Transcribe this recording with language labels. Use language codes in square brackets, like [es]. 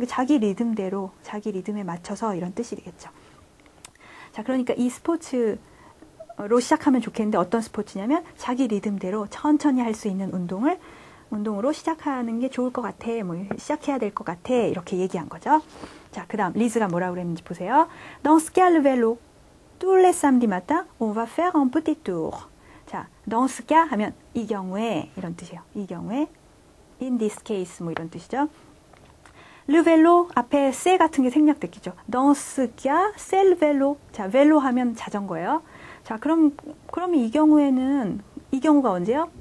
[ko] 그러니까 자기 리듬대로, 자기 리듬에 맞춰서 이런 뜻이 되겠죠. 자, 그러니까 이 스포츠로 시작하면 좋겠는데 어떤 스포츠냐면 자기 리듬대로 천천히 할수 있는 운동으로 시작하는 게 좋을 것 같아. 뭐, 시작해야 될것 같아. 이렇게 얘기한 거죠. 자, 그 다음, 리즈가 뭐라고 그랬는지 보세요. [fr] Dans ce cas, le vélo. Tous les samedis matin, on va faire un petit tour. [ko] 자, [fr] dans ce cas [ko] 하면 이 경우에 이런 뜻이에요. 이 경우에. [en] In this case, [ko] 뭐 이런 뜻이죠. 르벨로 앞에 세 같은 게 생략됐겠죠. 넌스기아 셀벨로. 자, 벨로 하면 자전거예요. 자, 그러면 이 경우에는, 이 경우가 언제요?